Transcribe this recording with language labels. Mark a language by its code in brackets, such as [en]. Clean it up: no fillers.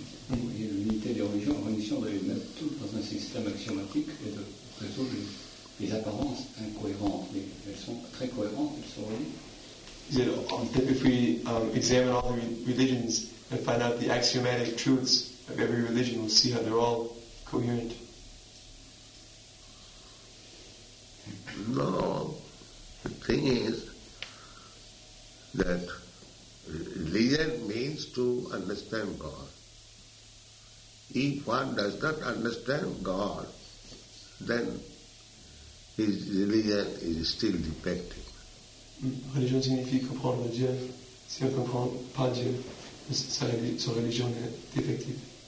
[fr] L'unité des religions, la religion de mettre tout dans un système axiomatique et de résoudre les apparences incohérentes. Mais elles sont très cohérentes, elles sont reliées. [en] If we examine all the religions and find out the axiomatic truths of every religion, we'll see how they're all coherent. No, the thing is that religion means to understand God. If one does not understand God, then his religion is still defective. [fr] Religion signifie comprendre Dieu. Si on ne comprend pas Dieu, sa religion est défective.